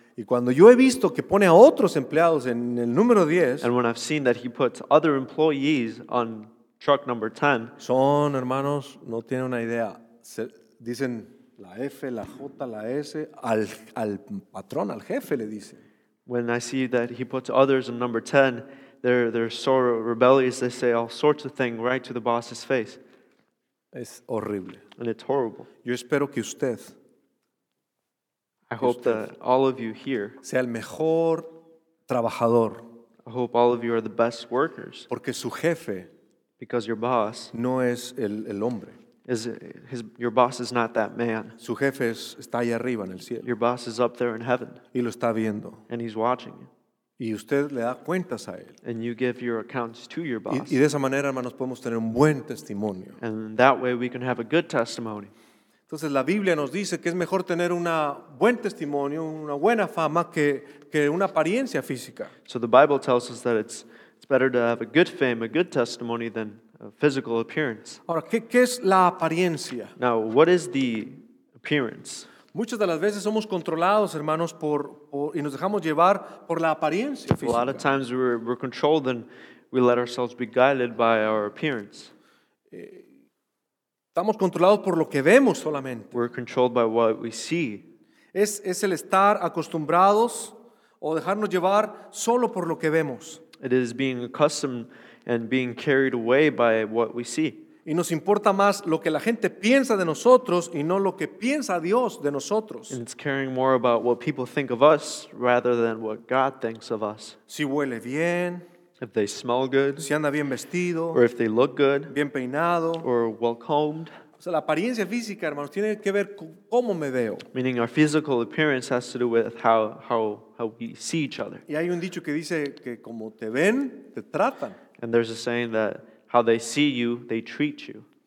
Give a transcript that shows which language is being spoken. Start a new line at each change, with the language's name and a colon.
Spanish: Y cuando yo he visto que pone a otros empleados en el número 10,
English: and when I've seen that he puts other employees on truck number 10,
Spanish: son, hermanos, no tienen una idea. Dicen la F, la J, la S, al patrón, al jefe le dicen.
English: When I see that he puts others in number 10, they're so rebellious, they say all sorts of things right to the boss's face.
Spanish: Es horrible.
English: And it's horrible.
Spanish: Yo espero que usted,
English: I hope that all of you here,
Spanish: sea el mejor trabajador,
English: I hope all of you are the best workers.
Spanish: Porque su jefe,
English: because your boss,
Spanish: no es el hombre.
English: Is his, your boss is not that man.
Spanish: Su jefe está ahí arriba en el cielo.
English: Your boss is up there in heaven.
Spanish: Y lo está viendo.
English: And he's watching you.
Spanish: Y usted le da cuentas a él.
English: And you give your accounts to your boss.
Spanish: Y de esa manera, hermanos, podemos tener un buen testimonio.
English: And that way we can have a good testimony.
Spanish: Entonces la Biblia nos dice que es mejor tener un buen testimonio, una buena fama, que una apariencia física.
English: So the Bible tells us that it's better to have a good fame, a good testimony, than a physical appearance.
Spanish: Ahora, ¿qué es la apariencia?
English: Now, what is the appearance?
Spanish: Muchas de las veces somos controlados, hermanos, y nos dejamos llevar por la apariencia física.
English: A lot of times we're controlled and we let ourselves be guided by our appearance.
Spanish: Estamos controlados por lo que vemos solamente.
English: We're controlled by what we see.
Spanish: Es el estar acostumbrados o dejarnos llevar solo por lo que vemos.
English: It is being accustomed and being carried away by what we see.
Spanish: Y nos importa más lo que la gente piensa de nosotros y no lo que piensa Dios de nosotros.
English: And it's caring more about what people think of us rather than what God thinks of us.
Spanish: Si huele bien.
English: If they smell good,
Spanish: si anda bien vestido,
English: or if they look good,
Spanish: bien peinado,
English: or well combed.
Spanish: O sea, la apariencia física, hermanos, tiene que ver con cómo me veo.
English: Meaning our physical appearance has to do with how we see each other.
Spanish: Y hay un dicho que dice que como te ven, te tratan.
English: And there's a saying that how they see you, they treat you.